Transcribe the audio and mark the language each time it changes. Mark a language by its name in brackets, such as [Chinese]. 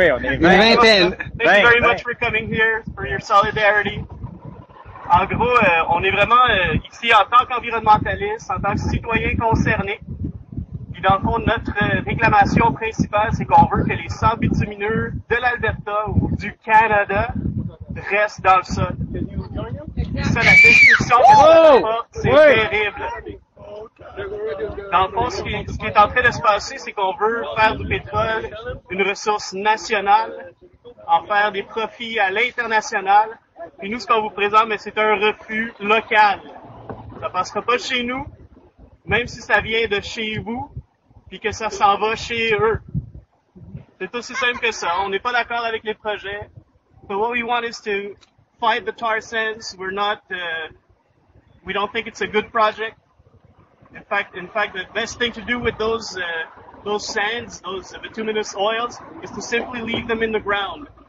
[English] Thank you very much for coming here, for your solidarity. [French] En gros, on est vraiment ici en tant qu'environnementaliste, en tant que citoyen concerné. Et dans le fond, notre réclamation principale, c'est qu'on veut que les sables bitumineux de l'Alberta ou du Canada restent dans le sol. C'est la destruction que ça apporte, c'est terrible. Dans le fond, ce qui est en train de se passer, c'est qu'on veut faire du pétrole une ressource nationale, en faire des profits à l'international. Et nous, ce qu'on vous présente, mais c'est un refus local. Ça passera pas chez nous, même si ça vient de chez vous, puis que ça s'en va chez eux. C'est aussi simple que ça. On n'est pas d'accord avec les projets. [English] But what we want is to fight the tar sands. We're not, we don't think it's a good project. In fact, the best thing to do with those sands, those bituminous oils, is to simply leave them in the ground.